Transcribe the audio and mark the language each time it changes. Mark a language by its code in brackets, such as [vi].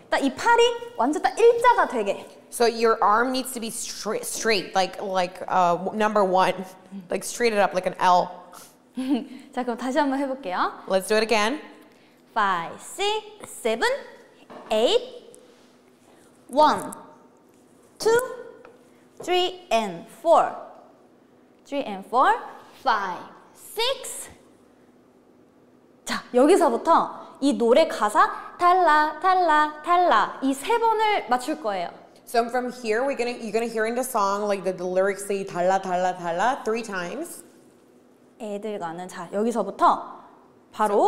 [ko] 딱 이 팔이 완전 딱 일자가 되게. [en] So your arm needs to be straight, like number one, like straighted up, like an L. [ko] 자, 그럼 다시 한번 해볼게요. [en] Let's do it again. Five, six, seven, eight, one, two, three, and four. Three and four, five, six. [ko] 자, 여기서부터 이 노래 가사 달라, 달라, 달라 이 세 번을 맞출 거예요. [en] So from here, you're gonna hear in the song like the lyrics say [ko] 달라 달라 달라 [en] three times. [ko] 애들 가는 자 여기서부터 바로